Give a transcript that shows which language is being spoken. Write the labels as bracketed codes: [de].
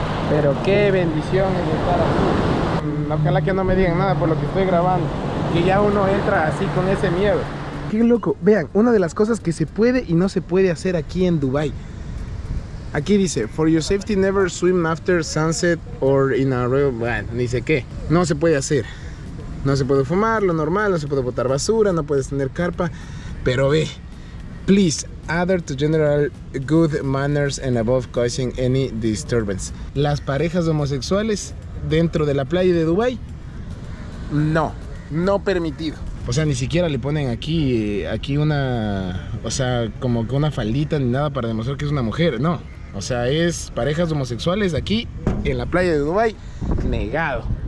[es] Pero qué bendición es estar aquí. Ojalá que no me digan nada por lo que estoy grabando. Que ya uno entra así con ese miedo. Qué loco. Vean, una de las cosas que se puede y no se puede hacer aquí en Dubai. Aquí dice, [en] for your safety never swim after sunset or in a real... [es] Bueno, ni sé qué. No se puede hacer. No se puede fumar, lo normal, no se puede botar basura, no puedes tener carpa. Pero ve, [en] please, adhere to general good manners and above causing any disturbance. [es] Las parejas homosexuales dentro de la playa de Dubai, no permitido. O sea, ni siquiera le ponen aquí una, o sea, como que una faldita ni nada para demostrar que es una mujer, no. O sea, es parejas homosexuales aquí en la playa de Dubai, negado.